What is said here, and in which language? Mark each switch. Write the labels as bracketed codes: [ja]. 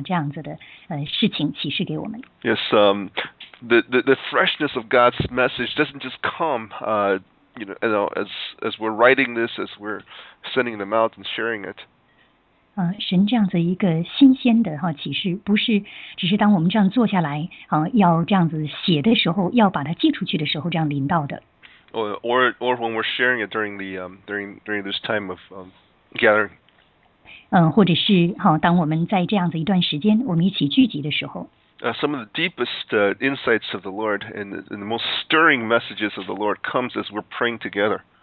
[zh] 因为又是一个星期，当我们要这样子更进一步的来进行带导的时候，神把很深的、很新的这样子的事情启示给我们。 [en] Yes, the freshness of God's message doesn't just come, as we're writing this, as we're sending them out and sharing it. [zh] 神这样子一个新鲜的启示，不是只是当我们这样坐下来，要这样子写的时候，要把它寄出去的时候，这样领到的。 [en] Or when we're sharing it during this time of gathering. [zh] 或者是当我们在这样子一段时间，我们一起聚集的时候。 [en] Some of the deepest insights of the Lord and the most stirring messages of the Lord comes as we're praying together.